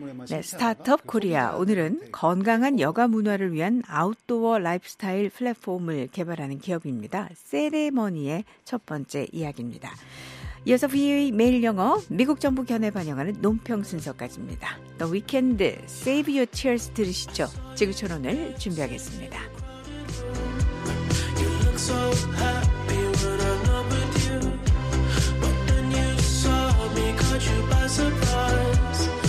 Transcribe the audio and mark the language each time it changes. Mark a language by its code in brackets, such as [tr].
[ko] 네, 스타트업 코리아. 오늘은 건강한 여가 문화를 위한 아웃도어 라이프스타일 플랫폼을 개발하는 기업입니다. 세레머니의 첫 번째 이야기입니다. 이어서 VOA 매일 영어, 미국 정부 견해 반영하는 논평 순서까지입니다. The Weeknd, Save Your Tears 들으시죠. 지구촌 오늘 준비하겠습니다. [en] You look so happy when I'm not with you. But then you saw me caught you by surprise.